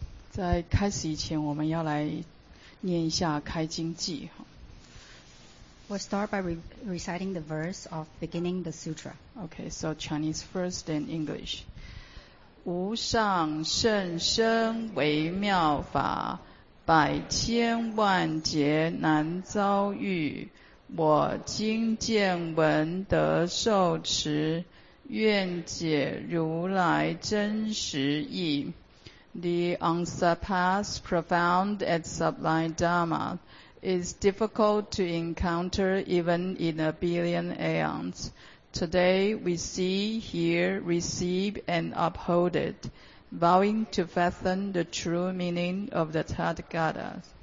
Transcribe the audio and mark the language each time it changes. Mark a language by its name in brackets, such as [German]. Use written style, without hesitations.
[Chinese] 在开始以前，我们要来念一下开经偈。 [English] We'll start by reciting the verse of beginning the sutra. Okay, so Chinese first and English. [Chinese] 无上甚深微妙法，百千万劫难遭遇。我今见闻得受持，愿解如来真实义。 The unsurpassed, profound, and sublime Dharma is difficult to encounter even in a billion aeons. Today we see, hear, receive, and uphold it, vowing to fathom the true meaning of the Tathagata.